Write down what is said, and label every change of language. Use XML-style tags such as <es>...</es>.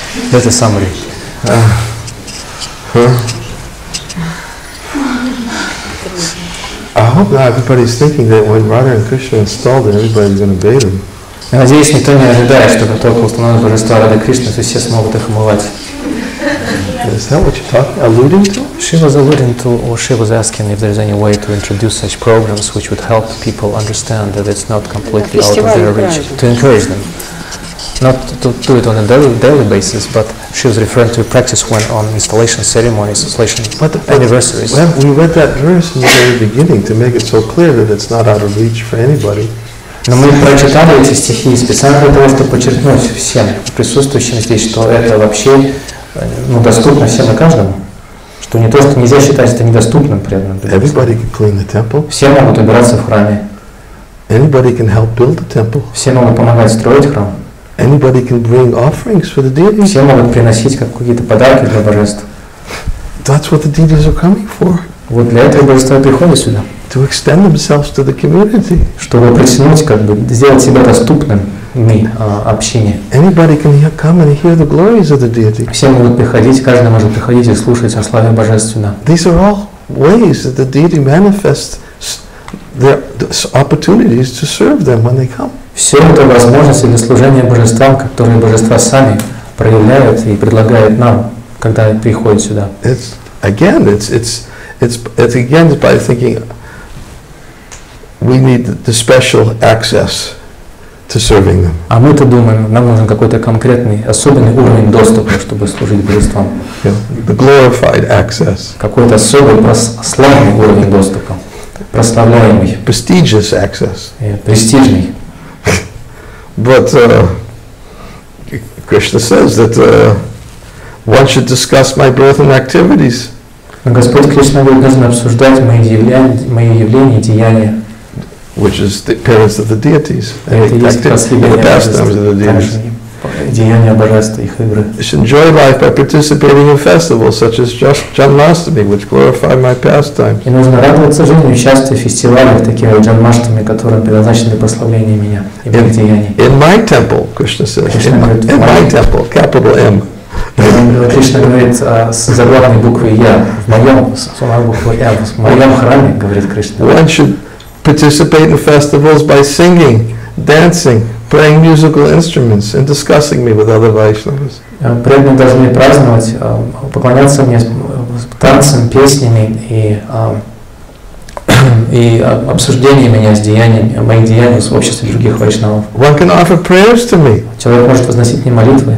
<en>That's a summary. I hope that everybody's thinking that when Radha and Krishna installed it, everybody's going to bathe them.</en> <ru>Я надеюсь, никто не ожидает, что как только установят божество Радха Кришна, то все смогут их умывать.</ru> <en>Is that what you're talking, alluding to? She was alluding to, or she was asking if there's any way to introduce such programs which would help people understand that it's not completely out of their reach, to encourage them. Not to do it on a daily basis, but she was referring to practice when on installation ceremonies, installation anniversaries. We read that verse in the very beginning to make it so clear that it's not out of reach for anybody.</en> <ru>Но мы прочитали эти стихи специально для того, чтобы подчеркнуть всем присутствующим здесь, что это вообще ну, доступно всем и каждому. Что не то, что нельзя считать это недоступным преданным.</ru> <en>Everybody can clean the temple.</en> <ru>Все могут убираться в храме.</ru> <en>Anybody can help build the temple.</en> <ru>Все могут помогать строить храм.</ru> <en>Anybody can bring offerings for the deities.</en> <ru>Все могут приносить какие-то подарки для божеств.</ru> <en>That's what the deities are coming for.</en> <ru>Вот для этого божества приходят сюда.</ru> <en>To extend themselves to the community.</en> <ru>Чтобы притянуть, как бы, сделать себя доступным ми, общине.</ru> <en>Anybody can come and hear the glories of the deity.</en> <ru>Все могут приходить, каждый может приходить и слушать о славе божественном.</ru> <en>These are all ways that the deity manifests their opportunities to serve them when they come.</en> <ru>Все это возможности для служения божествам, которые божества сами проявляют и предлагают нам, когда приходят сюда.</ru> <en>It's by thinking we need the special access to serving them.</en> <ru>А мы-то думаем, нам нужен какой-то конкретный, особенный уровень доступа, чтобы служить божествам.</ru> <en>The glorified access.</en> <ru>Какой-то особый, прославленный уровень доступа. Прославляемый.</ru> <en>Prestigious access.</en> <ru>Престижный.</ru> <en>But Krishna says that one should discuss my birth and activities.</en> <ru>Господь Кришна обязан обсуждать мои явления, деяния.</ru> <en>Which is the appearance of the deities, the pastimes of the deities. Deities enjoy life by participating in festivals such as Janmashtami, which glorify my pastime.</en> <ru>И нужно радоваться жизни, участвовать в фестивалях, таких как Джанмаштами, которые предназначены прославлению меня и моих деяний.</ru> <en>In my temple, Krishna says. In my temple, capital M.</en> <ru>Кришна говорит с заглавной буквы Я в моем, с умной буквой Я в моем храме, говорит Кришна.</ru> <en>One should participate in festivals by singing, dancing, playing musical instruments, and discussing me with other Vaishnavas.</en> <ru>Преданные должны праздновать, поклоняться мне танцем, песнями и и обсуждением меня с деяниями, моих деяний в обществе других Вайшнавов.</ru> <en>One can offer prayers to me.</en> <ru>Человек может возносить мне молитвы.</ru>